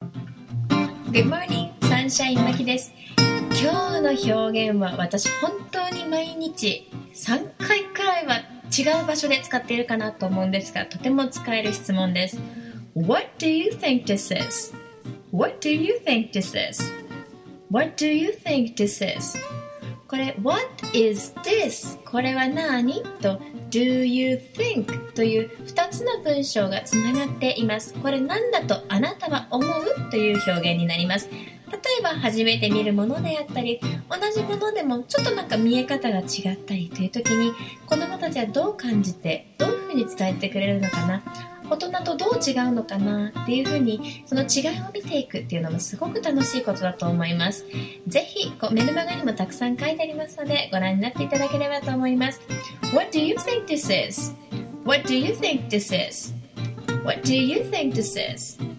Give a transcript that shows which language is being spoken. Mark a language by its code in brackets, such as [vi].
[en] Good morning, [ja] サンシャイン牧です。今日の表現は、私本当に毎日3回くらいは違う場所で使っているかなと思うんですが、とても使える質問です。 [en] What do you think this is? What do you think this is? What do you think this is? [ja] これ [en] What is this? [ja] これは何と [en] Do you think? [ja] という2つの文章がつながっています。これ何だとあなたは思うという表現になります。例えば初めて見るものであったり、同じものでもちょっとなんか見え方が違ったりという時に、子どもたちはどう感じて、どういうふうに伝えてくれるのかな、大人とどう違うのかなっていうふうに、その違いを見ていくっていうのもすごく楽しいことだと思います。ぜひこうメルマガにもたくさん書いてありますので、ご覧になっていただければと思います。 [en] What do you think this is? What do you think this is? What do you think this is?